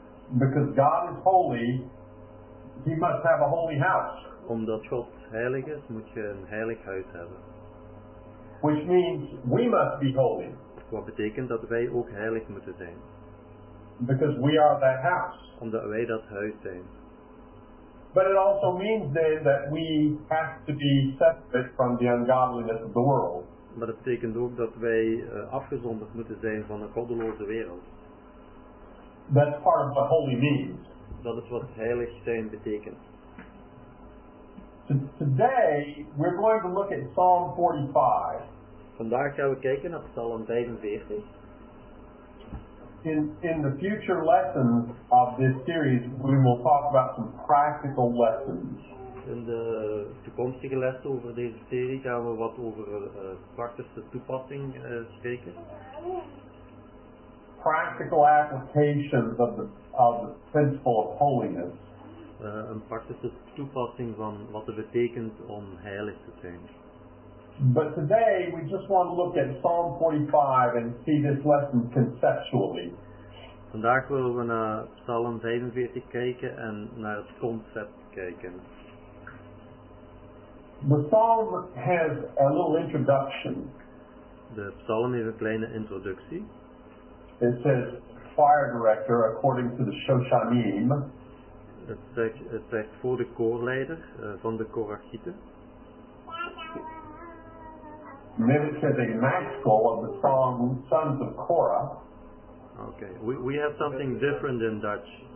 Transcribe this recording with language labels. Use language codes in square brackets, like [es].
[en] Because God is holy, he must have a holy house. [nl] Omdat God heilig is, moet je een heilig huis hebben. [en] Which means we must be holy. [nl] Wat betekent dat wij ook heilig moeten zijn. [en] Because we are that house. [nl] Omdat wij dat huis zijn. [en] But it also means then that we have to be separate from the ungodliness of the world. [nl] Maar dat betekent ook dat wij afgezonderd moeten zijn van de goddeloze wereld. [en] That's part of what holy means. [nl] Dat is wat heilig zijn betekent. [en] Today we're going to look at Psalm 45. [nl] Vandaag gaan we kijken naar Psalm 45. [en] In the future lessons of this series, we will talk about some practical lessons. [nl] In de toekomstige lessen over deze serie gaan we wat over praktische toepassing spreken. [en] Practical applications of the principle of holiness. [nl] Een praktische toepassing van wat het betekent om heilig te zijn. [en] But today we just want to look at Psalm 45 and see this lesson conceptually. [nl] Vandaag willen we naar Psalm 45 kijken en naar het concept kijken. [en] The psalm has a little introduction. [nl] De psalm heeft een kleine introductie. [en] It says choir director according to the Shoshanim. [nl] Het zegt voor de koorleider van de Korachieten. [en] And then it says a maxical of the song Sons of Korah. Okay, we have something different in Dutch.